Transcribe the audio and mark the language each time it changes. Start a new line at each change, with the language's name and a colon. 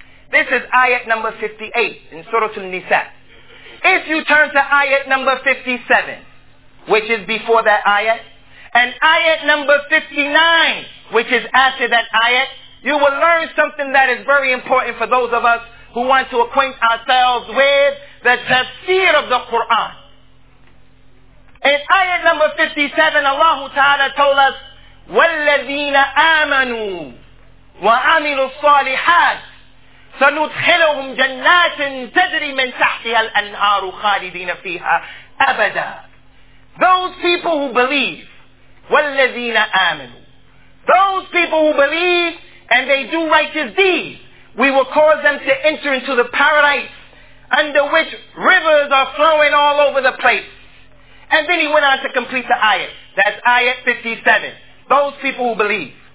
English: This is ayat number 58 in Surah An-Nisa. If you turn to ayat number 57, which is before that ayat, and ayat number 59, which is after that ayat, you will learn something that is very important for those of us who want to acquaint ourselves with the tafsir of the Quran.
Arabic: In ayat number 57, Allah Ta'ala told us, "وَالَّذِينَ آمَنُوا وَعَمِلُوا الصَّالِحَاتِ سَنُدْخِلُهُمْ جَنَّاتٍ تَجْرِي مِنْ تَحْتِهَا الْأَنْهَارُ خَالِدِينَ فِيهَا أَبَدًا."
English: Those people who believe,
Arabic: وَالَّذِينَ آمَنُوا,
English: those people who believe and they do righteous deeds, we will cause them to enter into the paradise under which rivers are flowing all over the place. And then he went on to complete the ayat. That's ayat 57. Those people who believe.